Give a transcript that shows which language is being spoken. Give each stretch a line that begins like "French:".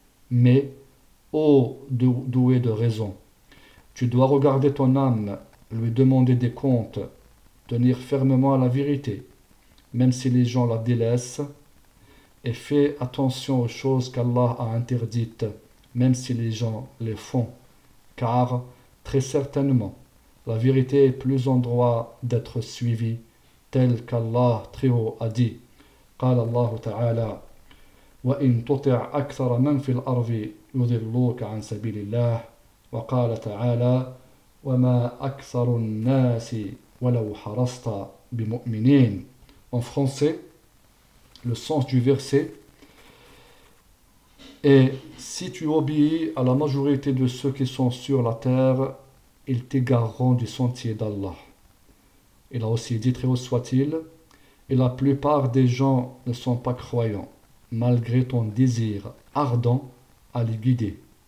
French: Mais, ô doué de raison, tu dois regarder ton âme, lui demander des comptes, tenir fermement à la vérité, même si les gens la délaissent, et fais attention aux choses qu'Allah a interdites, même si les gens les font, car, très certainement, la vérité est plus en droit d'être suivie, tel qu'Allah Très-Haut a dit.
Arabic: قال الله تعالى وإن تطع أكثر من في الأرض يضلوك عن سبيل الله وقال تعالى وما أكثر الناس ولو حرصت بمؤمنين.
French: En français, le sens du verset est: si tu obéis à la majorité de ceux qui sont sur la terre, ils t'égareront du sentier d'Allah. Il a aussi dit: très haut soit-il, et la plupart des gens ne sont pas croyants, malgré ton désir ardent à les guider.